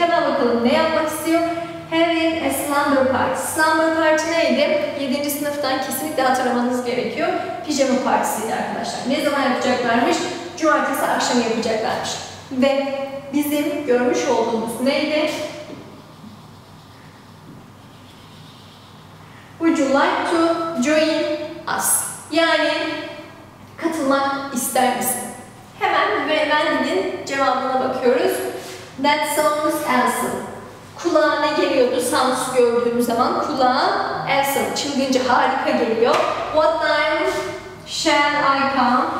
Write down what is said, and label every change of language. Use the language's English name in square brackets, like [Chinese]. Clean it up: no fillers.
[Turkish] Hemen bakalım ne yapmak istiyor. [English] Having a slumber party. [Turkish] Slumber party neydi? 7. sınıftan kesinlikle hatırlamanız gerekiyor. Pijama partisiydi arkadaşlar. Ne zaman yapacaklarmış? Cumartesi akşam yapacaklarmış. Ve bizim görmüş olduğumuz neydi? [English] Would you like to join us? [Turkish] Yani katılmak ister misin? Hemen Wendy'nin cevabına bakıyoruz. [English] That sounds awesome. [Turkish] Kulağa ne geliyordu sounds gördüğümüz zaman? Kulağa awesome, çılgınca, harika geliyor. [English] What time shall I come?